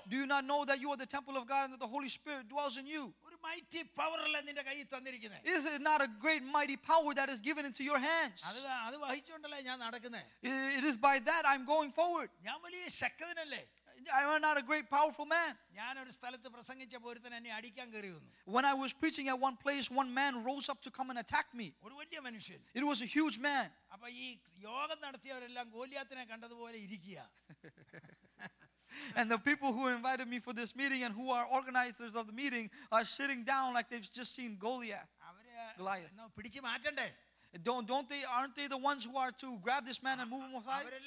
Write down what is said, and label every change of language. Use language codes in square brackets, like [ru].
[en] Do you not know that you are the temple of God and that the Holy Spirit dwells in you? [ml] ഒരു mighty power അല്ലേ നിന്റെ കയ്യിൽ തന്നിരിക്കുന്നത് [en] Is it not a great mighty power that is given into your hands? [ml] അത് വഹിച്ചുകൊണ്ടല്ലേ ഞാൻ നടക്കുന്നത് [en] It is by that I'm going forward. [ml] ഞാൻ വലിയ ശക്തനല്ലേ [en] I am not a great powerful man. [ml] ഞാൻ ഒരു സ്ഥലത്ത് പ്രസംഗിച്ച പോരുത്തന എന്നെ അടിക്കാൻ കയറി വന്നു [en] When I was preaching at one place one man rose up to come and attack me. [ml] ഒരു വലിയ മനുഷ്യൻ [en] It was a huge man. [ml] അപ്പ ഈ യോഗം നടത്തിയവരെല്ലാം ഗോലിയാത്തിനെ കണ്ടതുപോലെ ഇരിക്കുക [en] And the people who invited me for this meeting and who are organizers of the meeting are sitting down like they've just seen Goliath. [ml] അവരെ എന്നോ പിടിച്ചു മാറ്റണ്ടേ [en] Aren't they the ones who are to grab this man and move him aside?